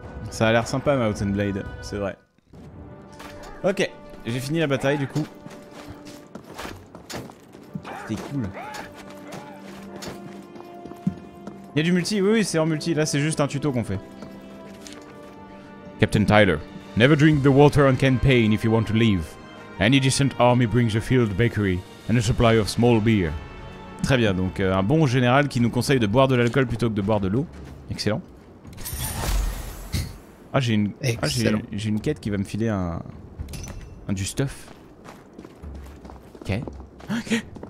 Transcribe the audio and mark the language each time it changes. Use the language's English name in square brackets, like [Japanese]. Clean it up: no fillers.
[French] Ça a l'air sympa, Mountain Blade, c'est vrai. Ok, j'ai fini la bataille du coup. C'était cool. Y'a du multi ? Oui, oui, c'est en multi. Là, c'est juste un tuto qu'on fait. [English] Captain Tyler, never drink the water on campaign if you want to leave. Any decent army brings a field bakery and a supply of small beer. [French] Très bien, donc un bon général qui nous conseille de boire de l'alcool plutôt que de boire de l'eau. Excellent. Ah, j'ai une, j'ai une quête qui va me filer un du stuff. Ok. Ok.